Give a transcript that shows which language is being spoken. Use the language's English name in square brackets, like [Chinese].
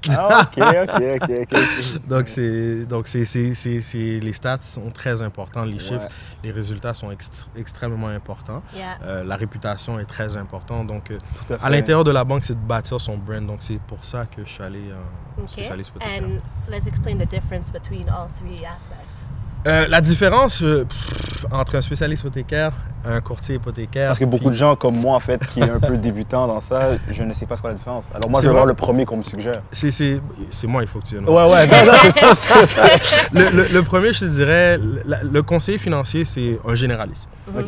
[French] Ah, ok. donc c'est les stats sont très importants, les chiffres, les résultats sont extrêmement importants. La réputation est très importante. Donc à l'intérieur de la banque, c'est de bâtir son brand. Donc c'est pour ça que je suis allé spécialiste peut-être. [English] And let's explain the difference between all three aspects. [French] La différence entre un spécialiste hypothécaire, un courtier hypothécaire. Parce que beaucoup de gens comme moi, en fait, qui est un peu débutant dans ça, je ne sais pas ce qu'est la différence. Alors moi, je vais voir le premier qu'on me suggère. C'est moi, il faut que tu viennes. Ouais, c'est ça. Le premier, je te dirais, le conseiller financier, c'est un généraliste. Okay.